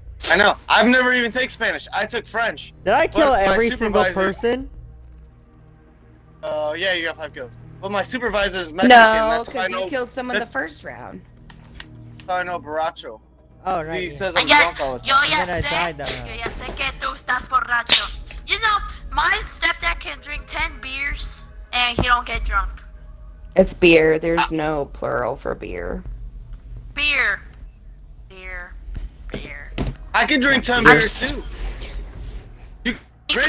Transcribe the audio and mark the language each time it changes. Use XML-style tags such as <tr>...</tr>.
<en>I know. I've never even taken Spanish. I took French. Did I kill every single person? Yeah, you got 5 kills. But my supervisor is Mexican. No, because you killed someone the first round. I know Borracho. Oh, right. He yeah. says I'm drunk all the time.</en> <es>Yo ya sé. Yo ya sé que tú estás borracho.</es> <en>You know, my stepdad can drink 10 beers and he don't get drunk. It's beer. There's no plural for beer. Beer. Beer. Beer. I can drink 10 beers too. You can</en>